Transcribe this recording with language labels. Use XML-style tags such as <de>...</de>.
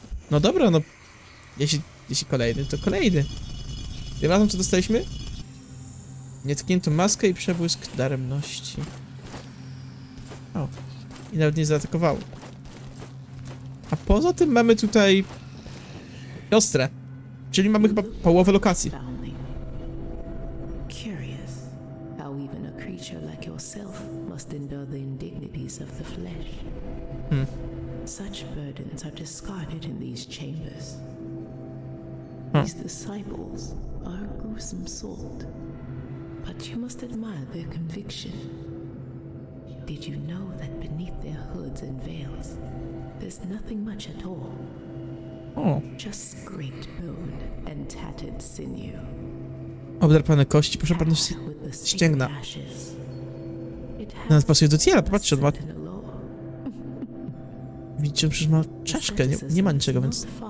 <pl>No dobra, no... Jeśli kolejny, to kolejny. Tym razem co dostaliśmy? Nietkniętą maskę i przebłysk daremności. O. I nawet nie zaatakowało. A poza tym mamy tutaj... siostrę. Czyli mamy chyba połowę lokacji.</pl> <en>Curious how even a creature like yourself must endure the indignities of the flesh. Such burdens are discarded in these chambers. These disciples are a gruesome sort. But you must admire their conviction. Did you know that beneath their hoods and veils, there's nothing much at all? Oh. Just scraped bone and tattered sinew.</en> <pl>Obdarpane kości, proszę pana, ścięgna. Nawet pasuje do Ciela, popatrzcie, on ma... Widzicie, przecież ma czaszkę, nie ma niczego, więc...</pl>